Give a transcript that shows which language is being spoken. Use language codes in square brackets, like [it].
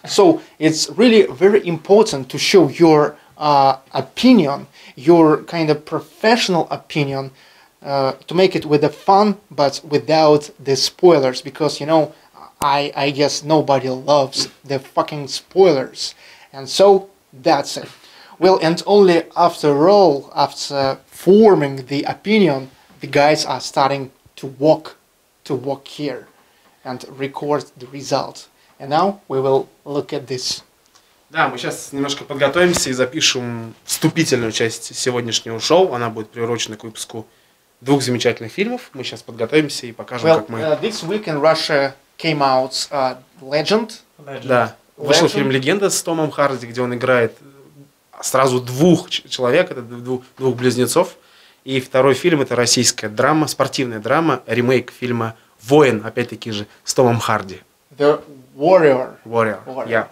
[en] So it's really very important to show your opinion, your kind of professional opinion, to make it with the fun, but without the spoilers, because, you know, I guess nobody loves the fucking spoilers. And so, that's it. Well, and only after all, after forming the opinion, the guys are starting to walk here and record the result. And now we will look at this. [ru] Да, мы сейчас немножко подготовимся и запишем вступительную часть сегодняшнего шоу. Она будет приурочена к выпуску двух замечательных фильмов. Мы сейчас подготовимся и покажем, [en] well, [ru] как мы... [en] This week in Russia came out Legend. [ru] Да. Вышел Legend. Фильм «Легенда» с Томом Харди, где он играет сразу двух человек, это двух близнецов. И второй фильм – это российская драма, спортивная драма, ремейк фильма «Воин», опять-таки же, с Томом Харди. [en] The Warrior. Warrior, yeah.